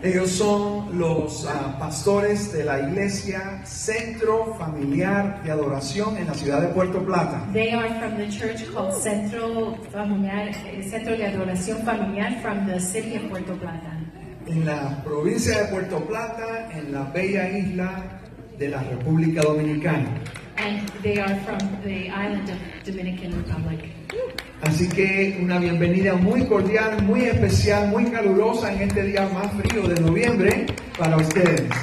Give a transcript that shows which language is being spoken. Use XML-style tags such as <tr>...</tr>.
<es>Ellos son los pastores de la iglesia Centro Familiar de Adoración en la ciudad de Puerto Plata.</es> <en>They are from the church called Centro Familiar, Centro de Adoración Familiar from the city of Puerto Plata.</en> <es>En la provincia de Puerto Plata, en la bella isla de la República Dominicana.</es> <en>And they are from the island of Dominican Republic.</en> <es>Así que una bienvenida muy cordial, muy especial, muy calurosa en este día más frío de noviembre para ustedes.</es>